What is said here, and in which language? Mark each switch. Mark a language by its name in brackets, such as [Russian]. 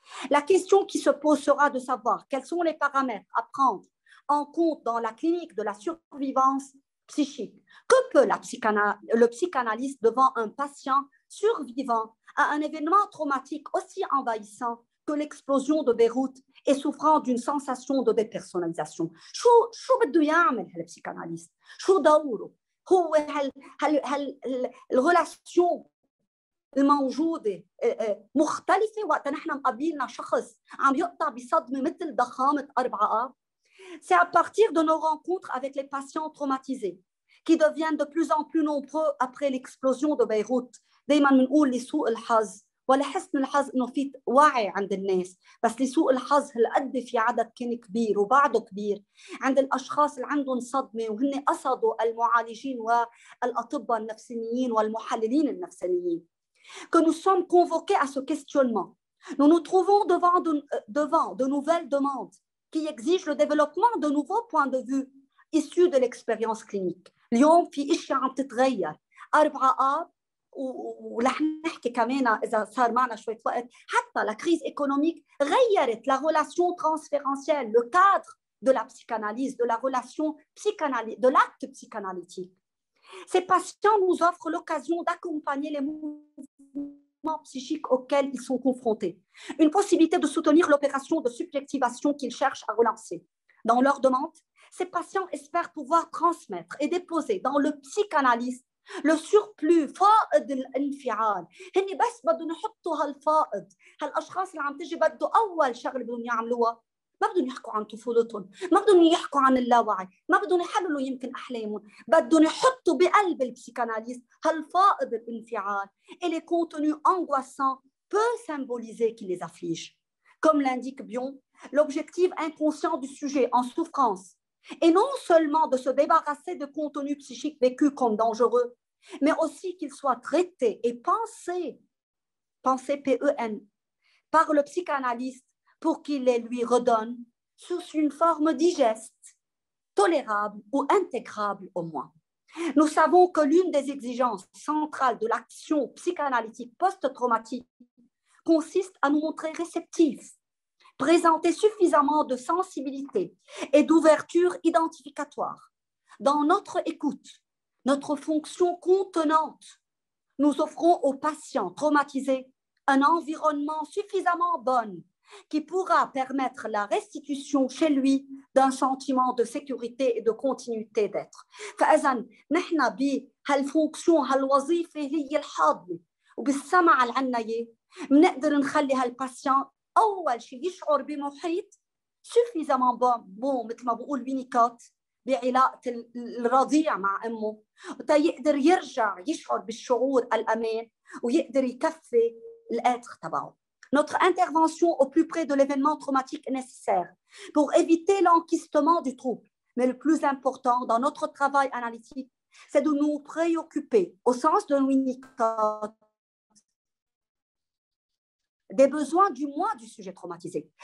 [French] La question qui se pose sera de savoir quels sont les paramètres à prendre en compte dans la clinique de la survivance psychique. Que peut le psychanalyste devant un patient survivant à un événement traumatique aussi envahissant que l'explosion de Beyrouth et souffrant d'une sensation de dépersonnalisation? [Arabic] شو بده يعمل هالpsychanalyste? شو دوره؟ هو هل الrelation الموجودة مختلفة وقت نحن مقابلنا شخص عم يقطع بصدمة مثل ضخامة 4A؟ [French] C'est à partir de nos rencontres avec les patients traumatisés, qui deviennent de plus en plus nombreux après l'explosion de Beyrouth. [Arabic] دايماً منقول لسوء الحظ ولحس من الحظ إنه في وعي عند الناس بس لسوء الحظ هالقد في عدد كان كبير وبعده كبير عند الأشخاص اللي عندهم صدمة وهن قصدوا المعالجين والأطباء النفسيين والمحللين النفسيين. [French] Que nous sommes convoqués à ce questionnement, nous nous trouvons devant de nouvelles demandes qui exige le développement de nouveaux points de vue issus de l'expérience clinique. [Arabic] اليوم في إشي عم تتغير. 4A ولح نحكي كمان إذا صار معنا شوية وقت. حتى [French] la crise économique [Arabic] غيرت [French] la relation transférentielle, le cadre de la psychanalyse, de la relation de l'acte psychanalytique. Ces patients nous offrent l'occasion d'accompagner les psychiques auxquels ils sont confrontés, une possibilité de soutenir l'opération de subjectivation qu'ils cherchent à relancer. Dans leur demande, ces patients espèrent pouvoir transmettre et déposer dans le psychanalyste le surplus [Arabic] فائض الانفعال. هن بس بدهن يحطوا هالفائض هالأشخاص اللي عم تجي بدو أول شغل بدهن يعملوها ما بدهن يحكوا عن طفولتهم ما بدهن يحكوا عن اللاوعي ما بدهن يحللوا يمكن أحلامهم بدهن يحطوا بقلب البسيكاناليست هالفائض الانفعال [French] et les contenus angoissants peu symbolisés qui les affligent. Comme l'indique Bion, l'objectif inconscient du sujet en souffrance Et non seulement de se débarrasser de contenus psychiques vécus comme dangereux, mais aussi qu'ils soient traités et pensés, pensés P-E-N, par le psychanalyste pour qu'il les lui redonne sous une forme digeste, tolérable ou intégrable au moins. Nous savons que l'une des exigences centrales de l'action psychanalytique post-traumatique consiste à nous montrer réceptifs, présenter suffisamment de sensibilité et d'ouverture identificatoire. Dans notre écoute, notre fonction contenante, nous offrons aux patients traumatisés un environnement suffisamment bon qui pourra permettre la restitution chez lui d'un sentiment de sécurité et de continuité d'être. [Arabic] فإذن نحن بهالفونكسيون هالوظيفة هي الحاضنة وبالسمع العنية منقدر نخلي هالباسيان أول شيء يشعر بمحيط [French] suffisamment bon, [Arabic] bon مثل ما بقول وينيكوت بعلاقة الرضيع مع أمه وتا يقدر يرجع يشعر بالشعور الأمان ويقدر يكفي الأتر تبعه. [French] Notre intervention au plus près de l'événement traumatique est nécessaire pour éviter l'enquistement du trouble. Mais le plus important dans notre travail analytique, c'est de nous préoccuper, au sens de Winnicott, des besoins du moi du sujet traumatisé.